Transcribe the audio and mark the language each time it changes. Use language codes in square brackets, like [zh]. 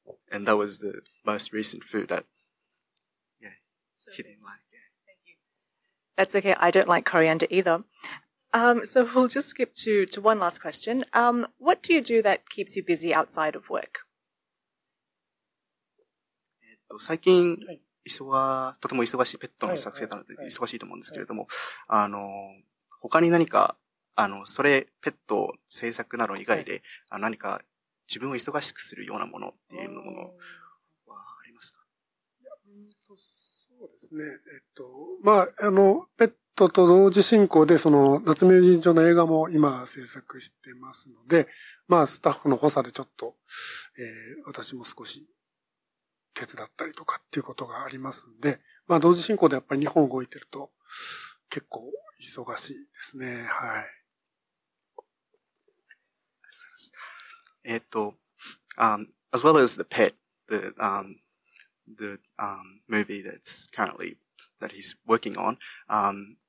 [en] And that was the most recent food that, she didn't like. That's okay. I don't like coriander either. So we'll just skip to one last question. What do you do that keeps you busy outside of work? [ja] 最近、とても忙しいペットの作成なので、忙しいと思うんですけれども、他に何か、それ、ペット制作なの以外で、何か自分を忙しくするようなものっていうものはありますか？そうですね。まあ、ペットと同時進行で、その、夏目友人帳の映画も今制作してますので、まあ、スタッフの補佐でちょっと、私も少し手伝ったりとかっていうことがありますんで、まあ、同時進行でやっぱり2本動いてると、結構忙しいですね。はい。 [en] as well as the pet, the movie that's currently, that he's working on.